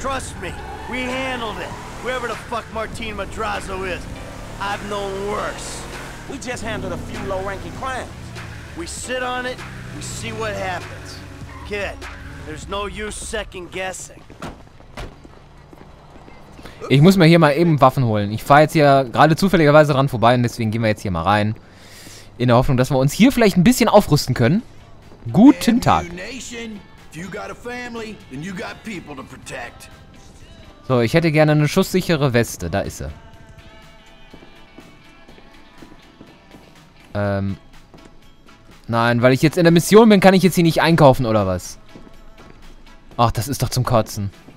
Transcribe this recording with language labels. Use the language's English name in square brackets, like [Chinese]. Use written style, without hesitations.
[English] Trust me. We handled it. Wherever the fuck Martin Madrazo is, I've known worse. We just handled a few low-ranking crimes. We sit on it, we see what happens. Kid, there's no use second-guessing. [German] Ich muss mir hier mal eben Waffen holen. Ich fahre jetzt hier gerade zufälligerweise dran vorbei und deswegen gehen wir jetzt hier mal rein. In der Hoffnung, dass wir uns hier vielleicht ein bisschen aufrüsten können. Guten Tag. [English] If you got a family, then you got people to protect. [German] So, ich hätte gerne eine schusssichere Weste. Da ist sie. Nein, weil ich jetzt in der Mission bin, kann ich jetzt hier nicht einkaufen, oder was? Ach, das ist doch zum Kotzen.